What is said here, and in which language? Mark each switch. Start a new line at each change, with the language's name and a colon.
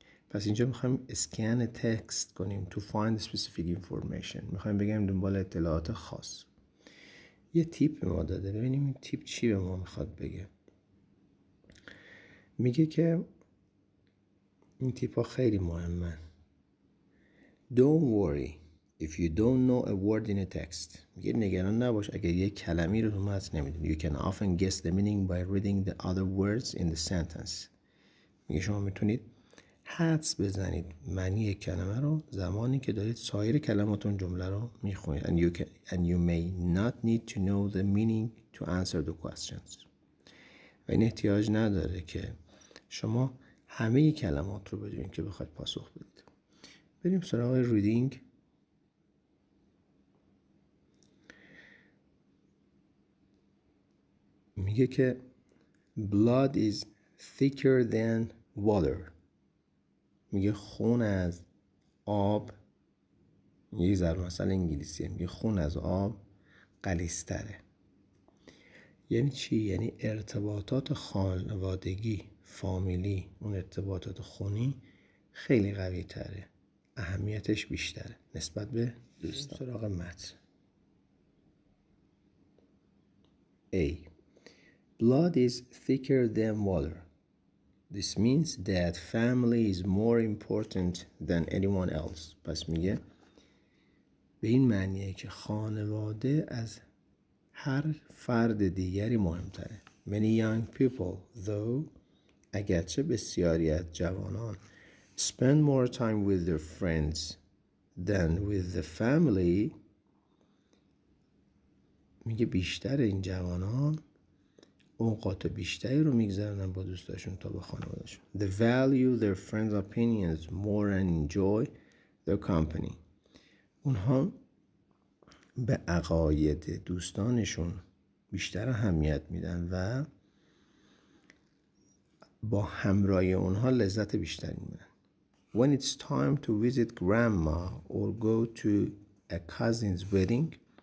Persian: پس اینجا میخوایم اسکن تکست کنیم
English: to find specific information.
Persian: میخوایم بگم دنبال اطلاعات خاص. یه تیپ به ما داده، ببینیم این تیپ چی به ما میخواد بگه. میگه که این تیپ ها خیلی مهمن.
English: Don't worry if you don't know a word in a text.
Persian: میگه نگران نباش اگر یه کلمی رو تو متن نمیدونی.
English: You can often guess the meaning by reading the other words in the sentence.
Persian: میگه شما میتونید حدس بزنید معنی کلمه رو زمانی که دارید سایر کلماتون جمله رو میخونید.
English: And you may not need to know the meaning to answer the questions.
Persian: و این احتیاج نداره که شما همه کلمات رو بدونید که بخواید پاسخ بدید. بریم سراغ reading. میگه که
English: blood is thicker than water.
Persian: میگه خون از آب، یه ذره مثلا انگلیسیه، میگه خون از آب غلیظ‌تره. یعنی چی؟ یعنی ارتباطات خانوادگی، فامیلی، اون ارتباطات خونی خیلی قوی تره، اهمیتش بیشتره نسبت به دوستان. سراغ متن.
English: A blood is thicker than water. This means that family is more important than anyone else.
Persian: پس میگه به این معنیه که خانواده از هر فرد دیگری مهمتره.
English: Many young people, though,
Persian: اگرچه بسیاری از جوانان
English: spend more time with their friends than with the family.
Persian: میگه بیشتر این جوانان اوقات بیشتری رو میگذرونن با دوستاشون تا با خانوادهشون.
English: They value their friends' opinions more and enjoy their company.
Persian: اونها به عقاید دوستانشون بیشتر اهمیت میدن و با همراهی اونها لذت بیشتری میبرن.
English: When it's time to visit grandma or go to a cousin's wedding.